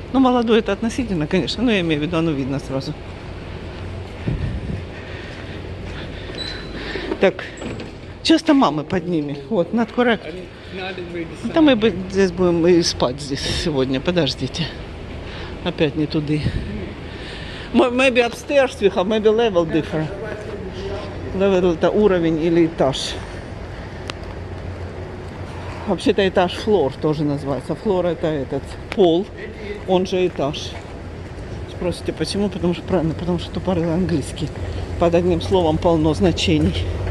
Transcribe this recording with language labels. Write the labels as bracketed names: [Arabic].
[Russian] Ну, молодой это относительно, конечно, но я имею в виду, оно видно сразу. Так, часто мамы под ними, вот, над коррект. Там мы здесь будем и спать здесь сегодня, подождите. Опять не туда. [English] Maybe upstairs we have, maybe level different. [Russian] Level – это уровень или этаж. Вообще-то этаж floor тоже называется. Floor – это этот пол, он же этаж. Спросите, почему? Потому что правильно, потому что тупорый английский. Под одним словом полно значений.